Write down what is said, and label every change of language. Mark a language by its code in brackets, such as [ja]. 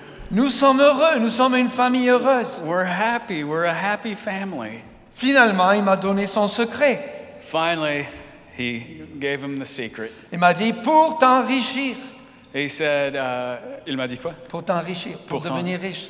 [fr] Nous sommes heureux, nous sommes une famille heureuse. [en] We're happy, we're a happy family. [fr] Finalement, il m'a donné son secret. [en] Finally, he gave him the secret. [fr] Il m'a dit, pour t'enrichir. [en] He said, [fr] il m'a dit quoi? Pour t'enrichir, pour devenir riche.